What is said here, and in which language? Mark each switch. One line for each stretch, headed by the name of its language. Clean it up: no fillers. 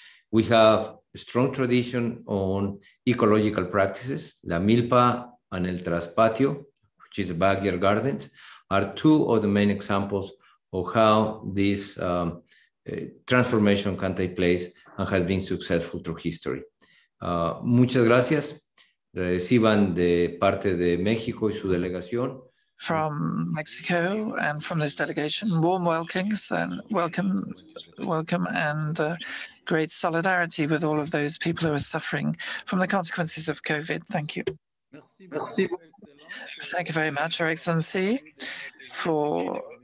English: We have a strong tradition on ecological practices. La milpa and el traspatio, which is backyard gardens, are two of the main examples of how this transformation can take place and has been successful through history.
Spanish: Muchas gracias. Reciban de parte de México y su delegación.
English: From Mexico and from this delegation, warm welcomes and great solidarity with all of those people who are suffering from the consequences of COVID. Thank you.
French: Merci.
English: Thank you very much, Your Excellency, for